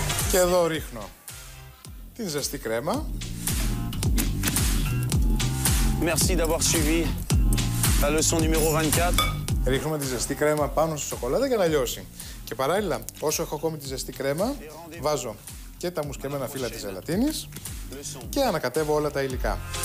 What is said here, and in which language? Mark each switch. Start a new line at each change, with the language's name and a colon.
Greek: Και εδώ ρίχνω την ζεστή κρέμα.
French: Merci d'avoir suivi la leçon numéro 24.
Greek: Ρίχνουμε τη ζεστή κρέμα πάνω στη σοκολάτα για να λιώσει. Και παράλληλα, όσο έχω ακόμη τη ζεστή κρέμα, βάζω και τα μουσκεμένα φύλλα της ζελατίνης και ανακατεύω όλα τα υλικά.